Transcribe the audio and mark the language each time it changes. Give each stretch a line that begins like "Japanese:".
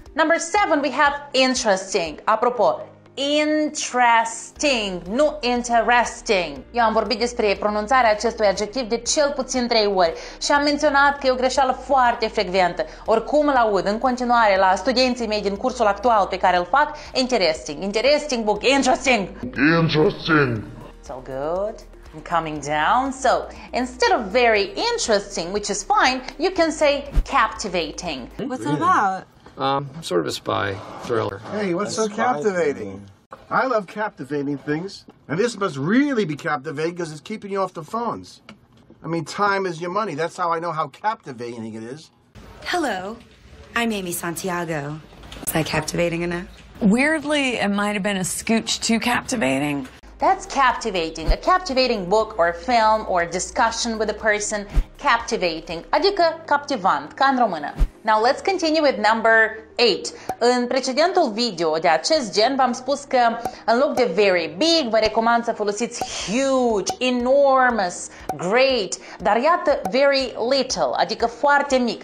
English: Number 7, we have interesting. Apropo, interesting, nu interesting.
Romanian: Eu am vorbit despre pronunțarea acestui adjectiv de cel puțin 3 ori și am menționat că e o greșeală foarte frecventă. Oricum îl aud în continuare la studenții mei din cursul actual pe care îl fac, interesting, interesting book, interesting.
English: Interesting. It's all good. I'm coming down. So, instead of very interesting, which is fine, you can say captivating. What's it about? Sort of a spy thriller. Hey, what's so captivating? I love captivating things. And this must really be captivating because it's keeping you off the phones. I mean, time is your money. That's how I know how captivating it is. Hello, I'm Amy Santiago. Is that captivating enough? Weirdly, it might have been a scooch too captivating. That's captivating. A captivating book or film or discussion with a person. Captivating.
Romanian: Adică captivant, ca în română.
English: Now let's continue with number 8.
Romanian: În precedentul video de acest gen v-am spus că în loc de very big, vă recomand să folosiți huge, enormous, great. Dar iată very little, adică foarte mic.